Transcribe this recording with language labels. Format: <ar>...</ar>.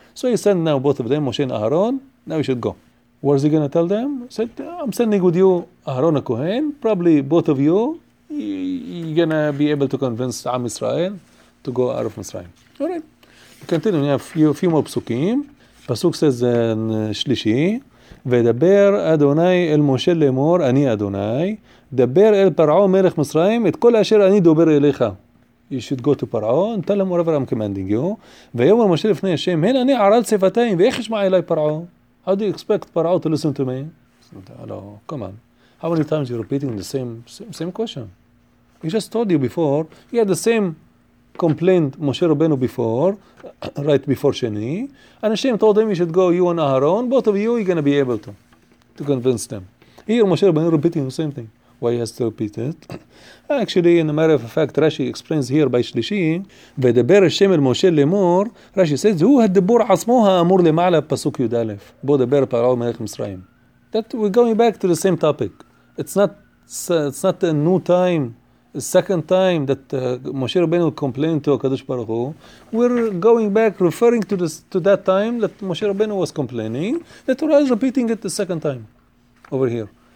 <en>So he sent now both of them, Moshe and Aharon, now you should go. What is he going to tell them? He said, I'm sending with you Aharon a Kohen, probably both of you, you're going to be able to convince Am Israel to go out of Mitzrayim. All right. Continue, we have a few more psukim. Pasuk says in Shlishi,</en> <he>ודבר אדוני אל משה לאמור, אני אדוני, דבר אל פרעו מלך מצרים, את כל אשר אני דובר אליך.</he> <en>You should go to פרעו, and tell him whatever I'm commanding you.</en> <he>ויאמר משה לפני השם, הן אני ערל שפתיים, ואיך ישמע אליי פרעו?</he> <en>How do you expect פרעו to listen to me? Hello, come on. How many times you're repeating the same question? He just told you before, he had the same complaint Moshe Rabbeinu before, right before Sheni, and Hashem told him, you should go, you and Aharon, both of you, you're going to be able to convince them. Here, Moshe Rabbeinu repeating the same thing. Why he has to repeat it? Actually, in a matter of fact, Rashi explains here by Shlishi,</en> <he>ודבר השם אל משה לאמור, Rashi says, הוא הדבור עצמו האמור למעלה פסוק י' אלף, בו דבר פרעו מלך מצרים.</he> <en>That we're going back to the same topic. It's not a new time. The second time that Moshe Rabbeinu complained to HaKadosh Baruch Hu, we're going back, referring to that time that Moshe Rabbeinu was complaining, that Torah is repeating it the second time over here.</en>